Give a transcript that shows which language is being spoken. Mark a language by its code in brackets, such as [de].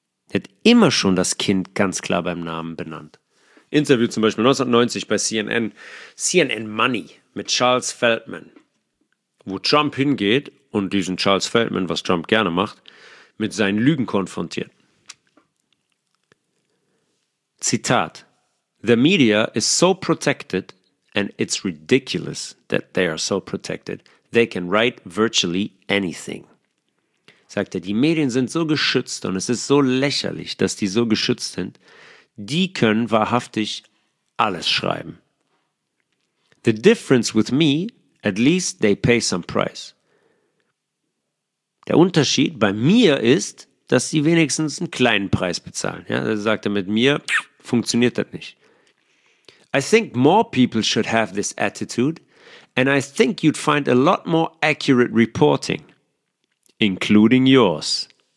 [de] Er hat immer schon das Kind ganz klar beim Namen benannt. Interview zum Beispiel 1990 bei CNN, CNN Money mit Charles Feldman, wo Trump hingeht und diesen Charles Feldman, was Trump gerne macht, mit seinen Lügen konfrontiert. Zitat. [en] The media is so protected, and it's ridiculous that they are so protected. They can write virtually anything. [de] Sagt er, die Medien sind so geschützt und es ist so lächerlich, dass die so geschützt sind. Die können wahrhaftig alles schreiben. [en] The difference with me, at least they pay some price. [de] Der Unterschied bei mir ist, dass sie wenigstens einen kleinen Preis bezahlen. Ja, er sagt, mit mir funktioniert das nicht. [en] I think more people should have this attitude, and I think you'd find a lot more accurate reporting, including yours.